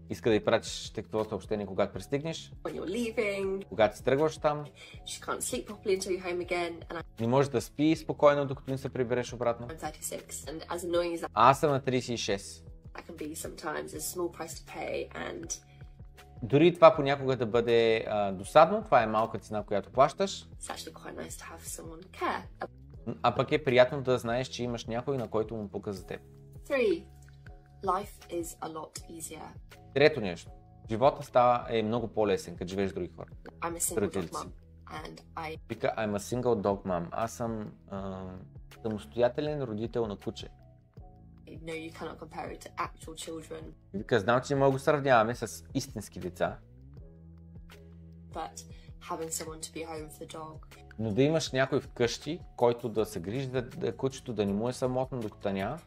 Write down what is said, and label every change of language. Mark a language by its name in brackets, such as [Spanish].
[Bulgarian] Иска да й пратиш текстово съобщение, когато пристигнеш. [English] When you're leaving. [Bulgarian] Когато си тръгваш там. [English] She can't sleep properly until you're home again. [Bulgarian] Не може да спи спокойно, докато не се прибереш обратно. [English] I'm 36. And as annoying as that... [Bulgarian] Аз съм на 36. [English] That can be sometimes a small price to pay and... [Bulgarian] Дори това понякога да бъде досадно, това е малка цена, която плащаш. [English] It's actually quite nice to have someone care. [Bulgarian] А пък е приятно да знаеш, че имаш някой, на който му пука за теб. [English] Three. Life is a lot easier. [Bulgarian] Трето нещо. Живота става е много по-лесен, като живееш с други хора. [English] I'm a single dog mom. And I... Because I'm a single dog mom. [Bulgarian] Аз съм самостоятелен родител на куче. [English] No, you cannot compare it to actual children. [Bulgarian] Вика, знам, че не мога да сравняваме с истински деца. [English] But having someone to be home for the dog. [Bulgarian] Но да имаш някой вкъщи, който да се грижи да кучето, да не му е самотно, докато няма.